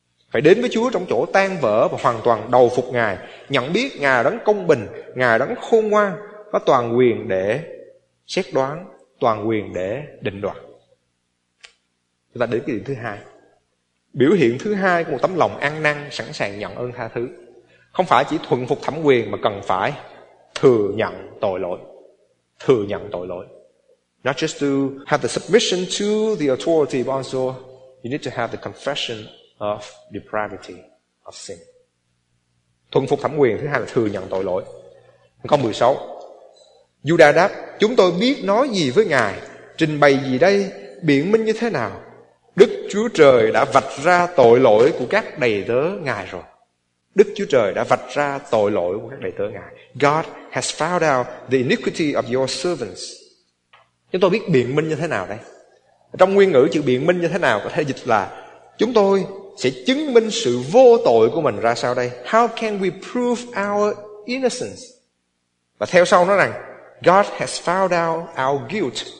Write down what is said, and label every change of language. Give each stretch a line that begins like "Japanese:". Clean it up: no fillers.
Vietnamese: Phải đến với Chúa trong chỗ tan vỡ và hoàn toàn đầu phục Ngài, nhận biết Ngài đấng công bình, Ngài đấng khôn ngoan, có toàn quyền để xét đoán, toàn quyền để định đoạt. Chúng ta đến cái điểm thứ hai. Biểu hiện thứ hai của một tấm lòng ăn năn, sẵn sàng nhận ơn tha thứ, không phải chỉ thuần phục thẩm quyền mà cần phải thừa nhận tội lỗi. Thừa nhận tội lỗi.
English: Not just to have the submission to the authority, but also you need to have the confession of depravity of sin.
Vietnamese: Thuần phục thẩm quyền, thứ hai là thừa nhận tội lỗi. Câu 16. Giuđa đáp: chúng tôi biết nói gì với Ngài, trình bày gì đây, biện minh như thế nào? Đức Chúa Trời đã vạch ra tội lỗi của các đầy tớ Ngài rồi. Đức Chúa Trời đã vạch ra tội lỗi của các đầy tớ Ngài.
English: God has found out the iniquity of your servants.
Vietnamese: Chúng tôi biết biện minh như thế nào đây? Trong nguyên ngữ chữ biện minh như thế nào có thể dịch là: chúng tôi sẽ chứng minh sự vô tội của mình ra sao đây?
English: How can we prove our innocence?
Vietnamese: Và theo sau nó rằng:
English: God has found out our guilt.